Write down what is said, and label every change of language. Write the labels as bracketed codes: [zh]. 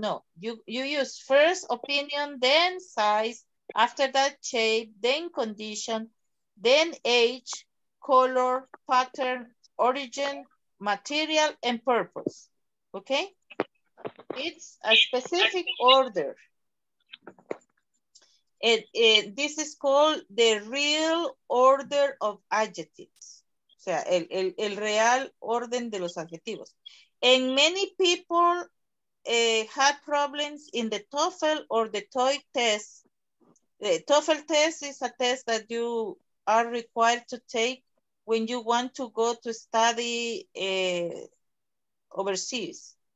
[en] No, you use first opinion, then size, after that shape, then condition, then age, color, pattern, origin, material, and purpose. Okay, it's a specific order. This is called the real order of adjectives. [es] O sea, el real orden de los adjetivos. [en] And many people had problems in the TOEFL or the TOEIC test. The TOEFL test is a test that you are required to take when you want to go to study overseas.